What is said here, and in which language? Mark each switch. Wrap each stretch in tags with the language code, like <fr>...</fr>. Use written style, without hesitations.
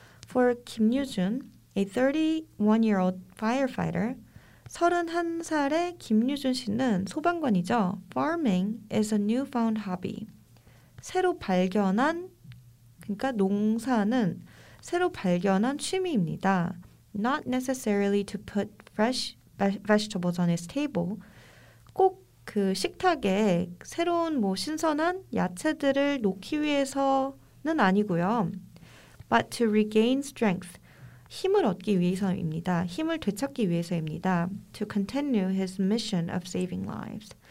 <en>For Kim Yoo-jun, a 31-year-old firefighter,</en> <ko>31살의 김유준 씨는 소방관이죠.</ko> <en>Farming is a newfound hobby.</en> <ko>새로 발견한, 그러니까 농사는 새로 발견한 취미입니다.</ko> <en>Not necessarily to put fresh vegetables on his table.</en> <ko>꼭 그 식탁에 새로운 뭐 신선한 야채들을 놓기 위해서는 아니고요.</ko> <en>But to regain strength.</en> <ko>힘을 얻기 위해서입니다. 힘을 되찾기 위해서입니다.</ko> <en>To continue his mission of saving lives.</en>